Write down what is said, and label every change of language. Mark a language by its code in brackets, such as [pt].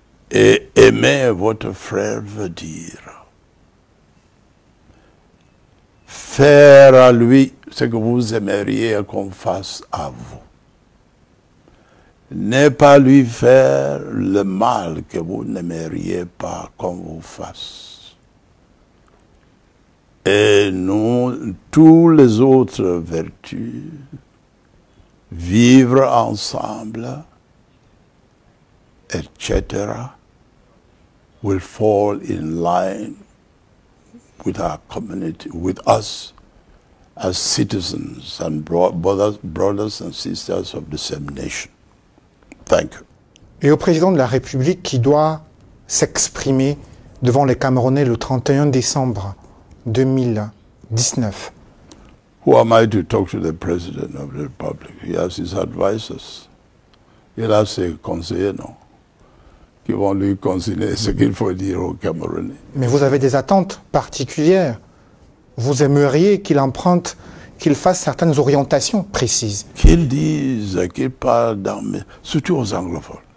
[fr] Et aimer votre frère veut dire faire à lui ce que vous aimeriez qu'on fasse à vous. Ne pas lui faire le mal que vous n'aimeriez pas qu'on vous fasse. Et nous, toutes les autres vertus, vivre ensemble, etc., [en] will fall in line with our community, with us as citizens and brothers and sisters of the same nation. Thank you. [fr] Et au président de la République qui doit s'exprimer devant les Camerounais le 31 décembre 2019. [en] Who am I to talk to the president of the republic? He has his advisors. [fr] Il a ses conseillers, non? Qui vont lui conseiller ce qu'il faut dire aux Camerounais. Mais vous avez des attentes particulières. Vous aimeriez qu'il emprunte, qu'il fasse certaines orientations précises. Qu'il dise, qu'il parle d'armée, surtout aux anglophones.